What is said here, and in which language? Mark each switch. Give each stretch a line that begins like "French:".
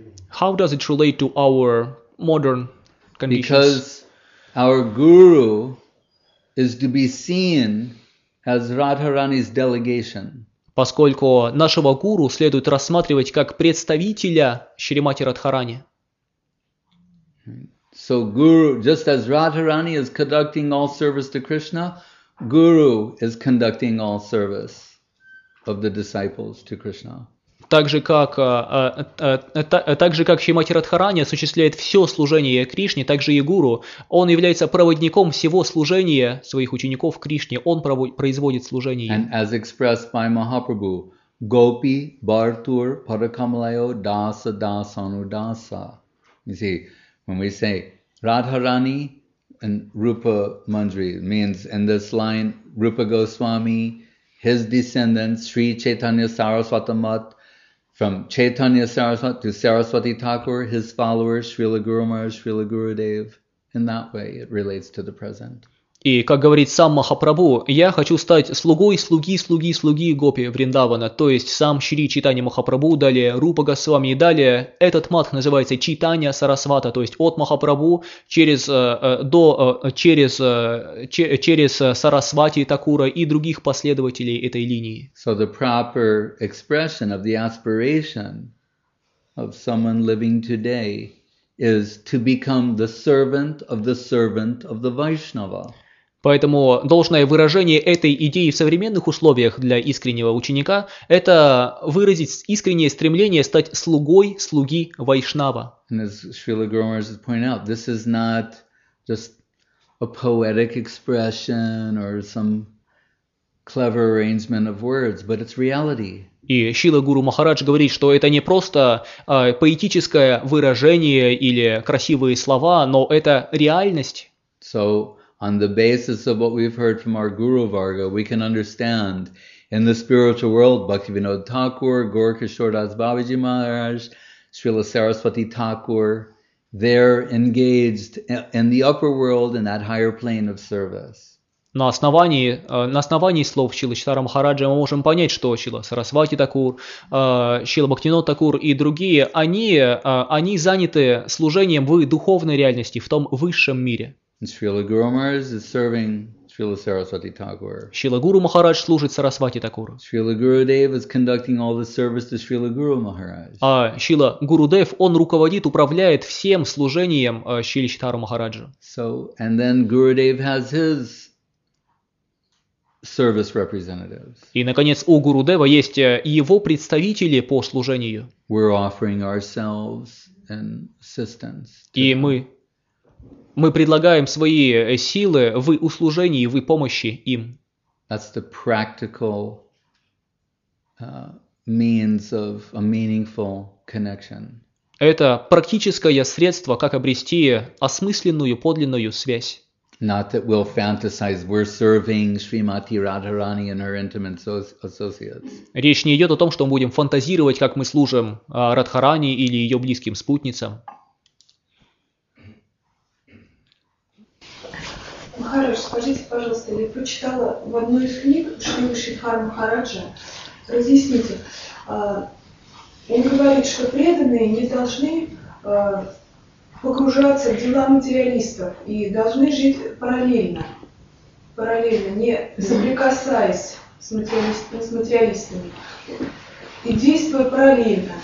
English: How does it relate to our modern conditions? Because Our guru is to be seen as Radharani's delegation.
Russian: Поскольку нашего гуру следует рассматривать как представителя Шримати Радхарани.
English: So guru, just as Radharani is conducting all service to Krishna, guru is conducting all service of the disciples to Krishna.
Russian: Так же, как Шримати Радхарани осуществляет все служение Кришне, так же и гуру, он является проводником всего служения своих учеников Кришне, он производит служение.
English: And as expressed by Mahaprabhu, Gopi, Bhartur, Parakamalayo, Dasa, Dasanu, Dasa. You see, when we say Radharani and Rupa Manjari, it means in this line, Rupa Goswami, his descendants, Sri Chaitanya Saraswatamat, from Chaitanya Saraswati to Saraswati Thakur, his followers, Srila Guru Maharaj, Srila Gurudev. In that way, it relates to the present.
Russian: И, как говорит сам Махапрабху, я хочу стать слугой слуги слуги слуги Гопи Вриндавана, то есть сам Шри Читания Махапрабху, далее Рупа Госвами и далее. Этот матх называется Читания Сарасвата, то есть от Махапрабху через Сарасвати Такура и других последователей этой линии.
English: So the proper expression of the aspiration of someone living today is to become the servant of the servant of the Vaishnava.
Russian: Поэтому должное выражение этой идеи в современных условиях для искреннего ученика – это выразить искреннее стремление стать слугой слуги Вайшнава.
English: And as Srila Guru Maharaj has pointed out, this is not just a poetic expression or some clever arrangement of words, but it's reality.
Russian: И Шрила Гуру Махарадж говорит, что это не просто поэтическое выражение или красивые слова, но это реальность.
English: So, on the basis of what we've heard from our Guru Varga, we can understand in the spiritual world, Bhaktivinoda Thakur, Gaurakishore Das Babaji Maharaj, Srila Saraswati Thakur, they're engaged in the upper world in that higher plane of service.
Russian: На основании слов Шрилы Читара Махараджа мы можем понять, что Шрила Сарасвати Такур, Шрила Бхактинода Такур и другие, они заняты служением в духовной реальности, в том высшем мире.
English: Srila Guru Maharaj is serving Srila Saraswati Thakur.
Russian: Srila Guru Maharaj служит Сарасвати Такуру.
English: Srila Gurudev is conducting all the service to Srila Guru Maharaj.
Russian: А Srila Gurudev, он руководит, управляет всем служением Шрили Читару Махараджу.
English: So, and then Gurudev has his service representatives.
Russian: И, наконец, у Гурудева есть его представители по служению.
English: We're offering ourselves and assistance.
Russian: Мы предлагаем свои силы в услужении, в помощи им.
English: That's the practical means of a meaningful connection.
Russian: Это практическое средство, как обрести осмысленную, подлинную связь.
English: Not that we'll fantasize we're serving Srimati Radharani and her intimate associates.
Russian: Речь не идет о том, что мы будем фантазировать, как мы служим Радхарани или ее близким спутницам. Махарадж, скажите, пожалуйста, я прочитала в одной из книг Шрилы Шридхара Махараджа, разъясните, он говорит, что преданные не должны погружаться в дела материалистов и должны жить параллельно, не соприкасаясь с материалистами, и действуя параллельно.